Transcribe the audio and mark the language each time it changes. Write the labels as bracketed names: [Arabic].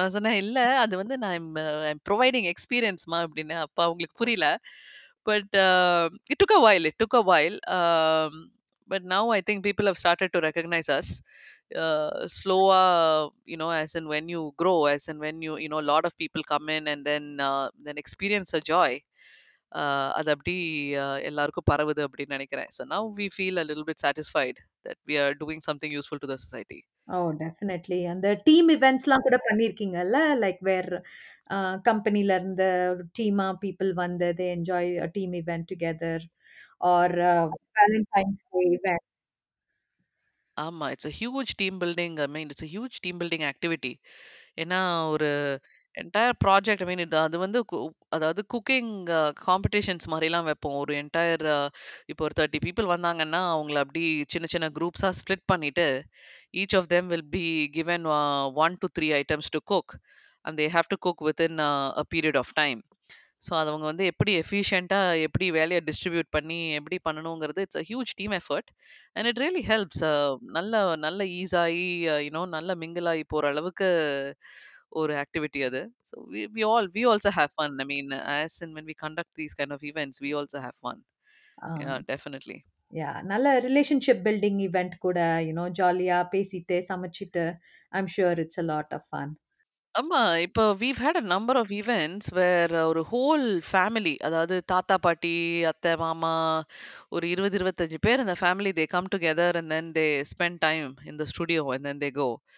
[Tamil] நான் சொன்னேன், இல்லை அது வந்து நான் [English] providing எக்ஸ்பீரியன்ஸ்மா [Tamil] அப்படின்னு. அப்போ அவங்களுக்கு புரியல. [English] But it took a while but now I think people have started to recognise us. slower, you know, as in when you grow, as in when you, you know, a lot of people come in and then experience a joy. So now we feel a little bit satisfied that we are doing something useful to the society. Oh, definitely. And the team events [Tamil] la kuda pannirkinga la, [English] like where company [Tamil] la irundha [English] team a people [Tamil] vande, [English] they enjoy a team event together, or Valentine's Day event. ஆமா, it's a huge team building. I mean it's a huge team building activity. [Tamil] ஏன்னா ஒரு entire project, ஐ மீன் இது அது வந்து அதாவது cooking competitions மாதிரிலாம் வைப்போம். ஒரு என்டையர் இப்போ ஒரு 30 பீப்புள் வந்தாங்கன்னா அவங்கள அப்படி சின்ன சின்ன குரூப்ஸாக ஸ்பிளிட் பண்ணிட்டு [English] Each of them will be given 1-3 items to cook and they have to cook within a period of time. [Tamil] So அவங்க வந்து எப்படி எஃபிஷியண்ட்டாக எப்படி வேலையை டிஸ்ட்ரிபியூட் பண்ணி எப்படி பண்ணணுங்கிறது, [English] It's a huge team effort and it really helps. [Tamil] நல்ல நல்ல ஈஸாகி, யூனோ, நல்ல மிங்கிள் ஆகி போகிற அளவுக்கு ஒரு ஆக்டிவிட்டி அது. [English] So we also have fun. I mean as and when we conduct these kind of events we also have fun. Definitely. Yeah, nalla relationship building event kuda, you know, [Tamil] jolly-a pesite samachittu, [English] I'm sure it's a lot of fun. We've had a number of events where our whole family, [Tamil] adhaadu tata paati, atta mama, [English] or 20-25 per in the family, they come together and then they spend time in the studio and then they go.